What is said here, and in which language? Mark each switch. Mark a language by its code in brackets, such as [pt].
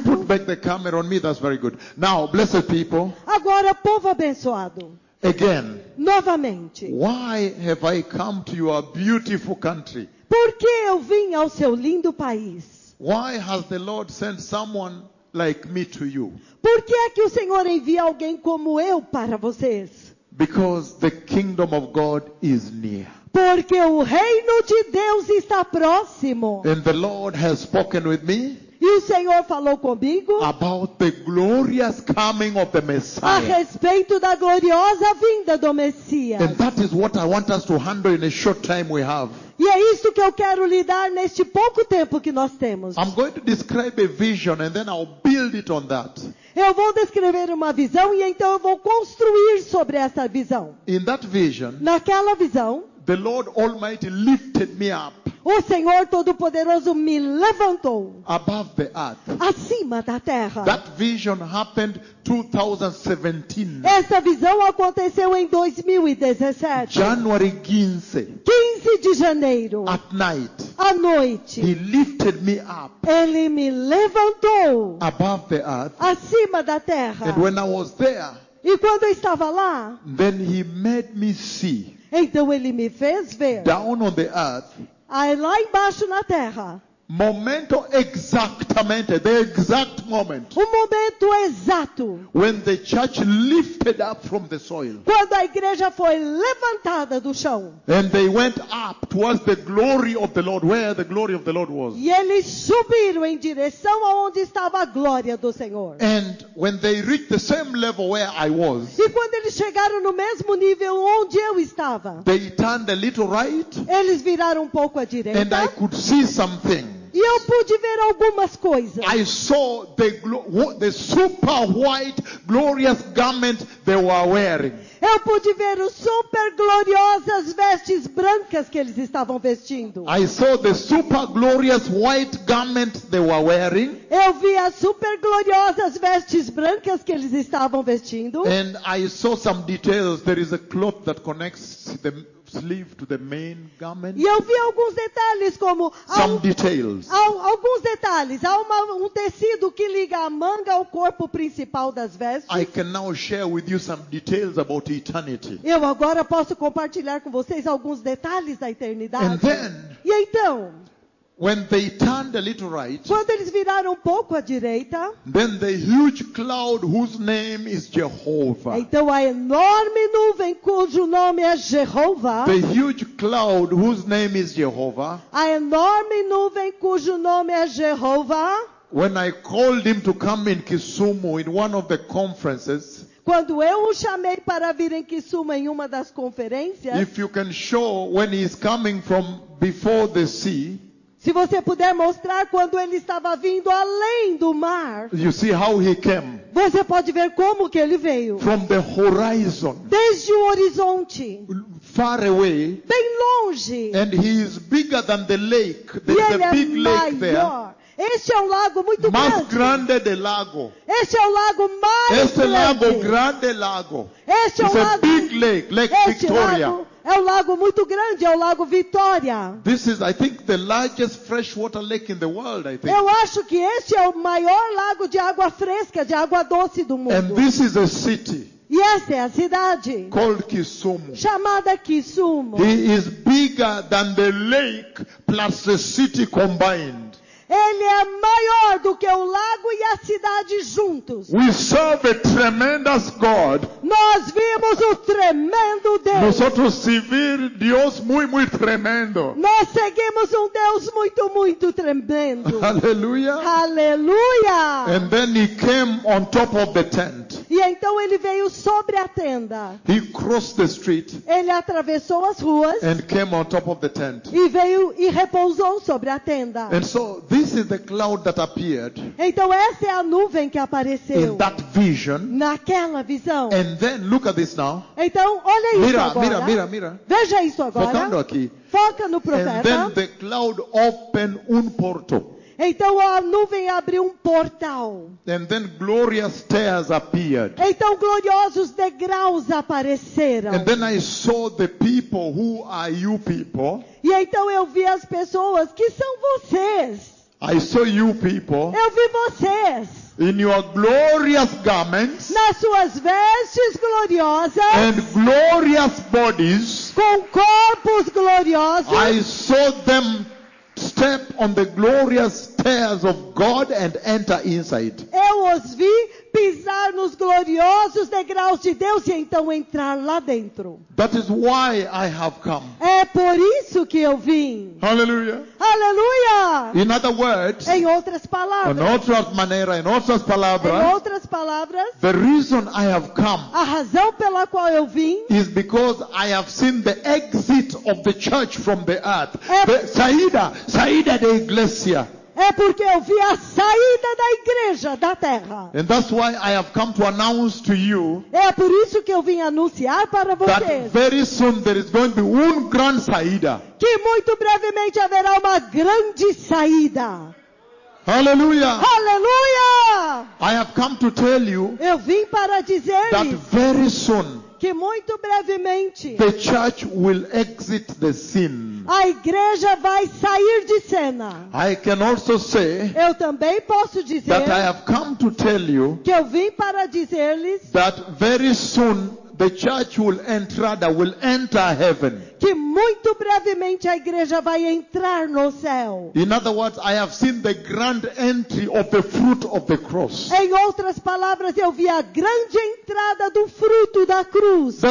[en] If you put back the camera on me, that's very good. Now, blessed people. [pt] Agora, povo abençoado. [en] Again. [pt] Novamente. [en] Why have I come to your beautiful country? [pt] Por que eu vim ao seu lindo país? [en] Why has the Lord sent someone like me to you? [pt] Por que é que o Senhor envia alguém como eu para vocês? [en] Because the kingdom of God is near. [pt] Porque o reino de Deus está próximo. [en] And the Lord has spoken with me. [pt] E o Senhor falou comigo. [en] About the glorious coming of the Messiah. [pt] A respeito da gloriosa vinda do Messias. [en] And that is what I want us to handle in a short time we have. [pt] E é isso que eu quero lidar neste pouco tempo que nós temos. [en] I'm going to describe a vision and then I'll build it on that. [pt] Eu vou descrever uma visão e então eu vou construir sobre essa visão. [en] In that vision. [pt] Naquela visão. [en] The Lord Almighty lifted me up. [pt] O Senhor Todo-Poderoso me levantou. [en] Above the earth. [pt] Acima da terra. [en] That vision happened 2017. [pt] Essa visão aconteceu em 2017. [en] January 15. [pt] 15 de janeiro. [en] At night. [pt] À noite. [en] He lifted me up. [pt] Ele me levantou. [en] Above the earth. [pt] Acima da terra. [en] And when I was there. [pt] E quando eu estava lá. [en] Then he made me see. [pt] Então ele me fez ver. [en] Down on the earth. [pt] Aí lá embaixo na terra. Momento exatamente, [en] the exact moment. [pt] O momento exato. [en] When the church lifted up from the soil. [pt] Quando a igreja foi levantada do chão. [en] And they went up towards the glory of the Lord, where the glory of the Lord was. [pt] E eles subiram em direção aonde estava a glória do Senhor. [en] And when they reached the same level where I was. [pt] E quando eles chegaram no mesmo nível onde eu estava. [en] They turned a little right. [pt] Eles viraram um pouco à direita. [en] And I could see something. [pt] E eu pude ver algumas coisas. [en] I saw the super white glorious garment they were wearing. [pt] Eu pude ver os super gloriosas vestes brancas que eles estavam vestindo. [en] I saw the super glorious white garment they were wearing. [pt] Eu vi as super gloriosas vestes brancas que eles estavam vestindo. [en] And I saw some details. There is a cloth that connects the sleeve to the main garment. [pt] E eu vi alguns detalhes como há um tecido que liga a manga ao corpo principal das vestes. [en] I can now share with you some details about eternity. [pt] Eu agora posso compartilhar com vocês alguns detalhes da eternidade. [en] And then, [pt] e então, [en] when they turned a little right, [pt] quando eles viraram um pouco à direita, [en] then the huge cloud whose name is Jehovah. [pt] Então a enorme nuvem cujo nome é Jeová. [en] The huge cloud whose name is Jehovah. [pt] A enorme nuvem cujo nome é Jeová. [en] When I called him to come in Kisumu in one of the conferences. [pt] Quando eu o chamei para vir em Kisumu em uma das conferências. [en] If you can show when he is coming from before the sea. [pt] Se você puder mostrar quando ele estava vindo além do mar. [en] You see how he came. [pt] Você pode ver como que ele veio. [en] From the horizon. [pt] Desde o horizonte. [en] Far away. [pt] Bem longe. [en] And he is bigger than the lake. The, [pt] e ele [en] the big [pt] é [en] lake there. [pt] Este é um lago muito mais grande. Mais grande de lago. Este é o lago mais este grande. Lago, grande lago. Este é um [en] It's [pt] lago. [en] A big lake, Lake [pt] este [en] Victoria. [pt] Lago. É um lago muito grande, é o Lago Vitória. [en] This is, I think, the largest freshwater lake in the world, I think. [pt] Eu acho que este é o maior lago de água fresca, de água doce do mundo. [en] And this is a city. [pt] E essa é a cidade. [en] Called Kisumu. [pt] Chamada Kisumu. [en] He is bigger than the lake plus the city combined. [pt] Ele é maior do que o lago e a cidade juntos. [en] We serve a tremendous God. [pt] Nós vimos o tremendo Deus. [es] Nosotros [pt] servir Deus muito, muito tremendo. Nós seguimos Deus muito, muito tremendo. Aleluia. Aleluia. [en] And then he came on top of the tent. [pt] E então ele veio sobre a tenda. [en] He crossed the street. [pt] Ele atravessou as ruas. [en] And came on top of the tent. [pt] E veio e repousou sobre a tenda. [en] And so this is the cloud that appeared. [pt] Então essa é a nuvem que apareceu. [en] In that vision. [pt] Naquela visão. [en] And then look at this now. [pt] Então olha isso [es] mira, [pt] agora. [es] Mira, mira, mira. [pt] Veja isso agora. Focando aqui. Foca no profeta. [en] And then the cloud opened [pt] un porto. Então a nuvem abriu um portal. [en] And then glorious stairs appeared. [pt] Então gloriosos degraus apareceram. [en] And then I saw the people, who are you people? [pt] E então eu vi as pessoas, que são vocês? [en] I saw you people. [pt] Eu vi vocês. [en] In your glorious garments, [pt] nas suas vestes gloriosas, [en] and glorious bodies, [pt] com corpos gloriosos, [en] I saw them step on the glorious stairs of God and enter inside. [pt] Eu os vi pisar nos gloriosos degraus de Deus e então entrar lá dentro. [en] That is why I have come. [pt] É por isso que eu vim. [en] Hallelujah. [pt] Hallelujah. [en] In other words, [pt] em outras palavras. In outras maneiras, em outras palavras. Em outras palavras. [en] The reason I have come. [pt] A razão pela qual eu vim. [en] Is because I have seen the exit of the church from the earth. [pt] Saída da igreja. É porque eu vi a saída da igreja da terra. [en] And that's why I have come to announce to you. [pt] É por isso que eu vim anunciar para vocês. [en] That very soon there is going to be one grand saída. [pt] Que muito brevemente haverá uma grande saída. [en] Hallelujah. [pt] Hallelujah. [en] I have come to tell you. [pt] Eu vim para dizer [en] that very soon. [pt] Que muito brevemente. [en] The church will exit the scene. [pt] A igreja vai sair de cena. [en] I can also say. [pt] Eu também posso dizer. [en] That I have come to tell you. [pt] Que eu vim para dizer-lhes. [en] That very soon the church will enter heaven. [pt] Que muito brevemente a igreja vai entrar no céu. [en] In other words, I have seen the grand entry of the fruit of the cross. [pt] Em outras palavras, eu vi a grande entrada do fruto da cruz.